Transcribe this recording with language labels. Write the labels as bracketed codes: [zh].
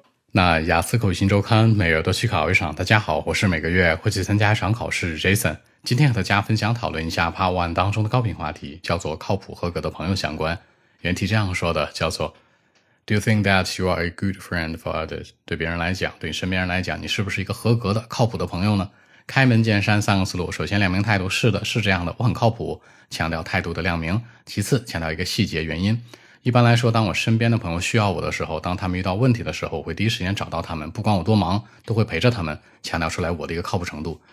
[zh] 那雅思口语新周刊每月都去考一场。大家好，我是每个月会去参加一场考试 Jason。今天和大家分享讨论一下 Part 1当中的高频话题，叫做靠谱合格的朋友相关。原题这样说的，叫做 [en] Do you think that you are a good friend for others? [zh] 对别人来讲，对身边人来讲，你是不是一个合格的靠谱的朋友呢？开门见山三个思路，首先亮明态度，是的，是这样的，我很靠谱，强调态度的亮明。其次强调一个细节原因，一般来说，当我身边的朋友需要我的时候，当他们遇到问题的时候，我会第一时间找到他们，不管我多忙都会陪着他们，强调出来我的一个靠谱程度。